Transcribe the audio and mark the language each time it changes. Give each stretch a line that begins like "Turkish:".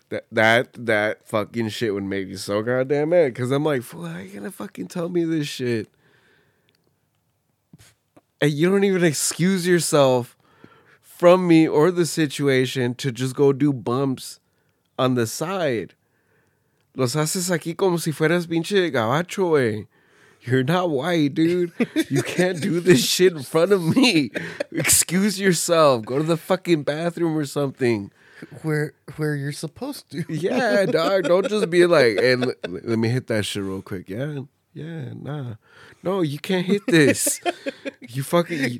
English: That fucking shit would make me so goddamn mad. Because I'm like, fool, how you gonna fucking tell me this shit? And you don't even excuse yourself from me or the situation to just go do bumps on the side.
Spanish: Los haces aquí como si fueras pinche gabacho, wey.
English: You're not white, dude. You can't do this shit in front of me. Excuse yourself. Go to the fucking bathroom or something. Where you're supposed to. Yeah, dog. Don't just be like, hey, let me hit that shit real quick. Yeah. Yeah, nah. No, you can't hit this. You fucking...